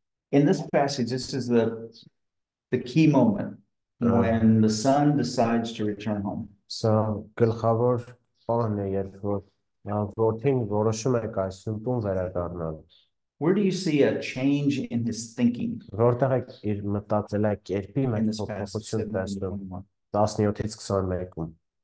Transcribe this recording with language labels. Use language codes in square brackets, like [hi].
[en] In this passage, this is the key moment when the son decides to return home. [hy] So, գլխավոր պահն է, երբ որ որդին որոշում է կայսնում տուն վերադառնալ։ [en] Where do you see a change in his thinking? [hy] Որտեղ է իր մտածելակերպի մեջ փոփոխություն տեսնում 17-ից 21-ում?